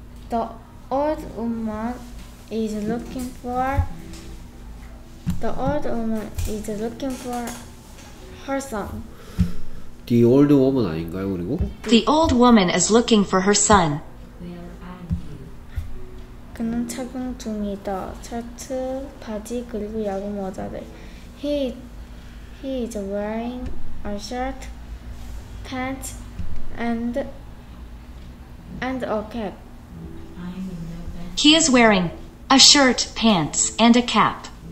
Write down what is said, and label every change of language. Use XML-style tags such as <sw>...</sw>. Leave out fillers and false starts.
<en>The old woman is looking for. The old woman is looking for her son. The old woman</en> <ko>아닌가요, 그리고?</ko> <en>The old woman is looking for her son.</en> <ko>그는 착용 중이다. 셔츠, 바지, 그리고 야구 모자들.</ko> <en>He is wearing a shirt, pants, and a cap. He is wearing a shirt, pants, and a cap.</en>